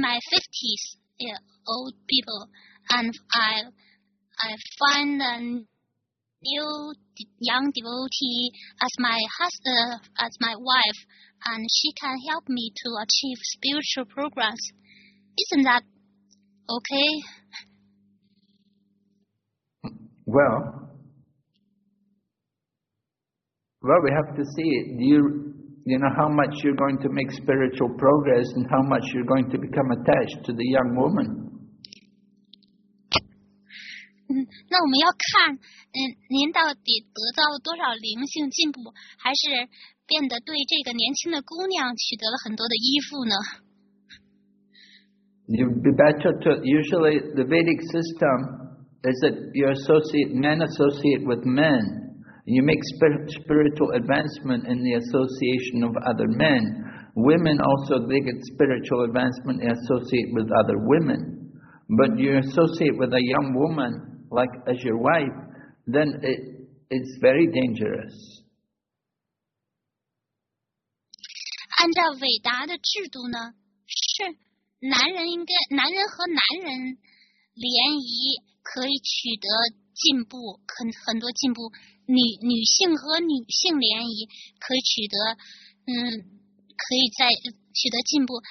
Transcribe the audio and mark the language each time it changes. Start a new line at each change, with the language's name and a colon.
English: my 50s, yeah, old people, and I find a new young devotee as my husband, as my wife, and she can help me to achieve spiritual progress, isn't that okay? Well, we have to see it. Do you know how much you're going to make spiritual progress and how much you're going to become attached to the young woman?
Chinese: 那我们要看，您到底得到了多少灵性进步，还是变得对这个年轻的姑娘取得了很多的依附呢？
English: You'd be better to. Usually, the Vedic system is that you associate men associate with men. You make spiritual advancement in the association of other men. Women also, they get spiritual advancement and associate with other women. But you associate with a young woman, like as your wife, then it's very dangerous.
Chinese: 按照伟达的制度呢，是男人和男人联谊可以取得进步，很多进步。女性和女性联谊可以取得，可以在取得进步。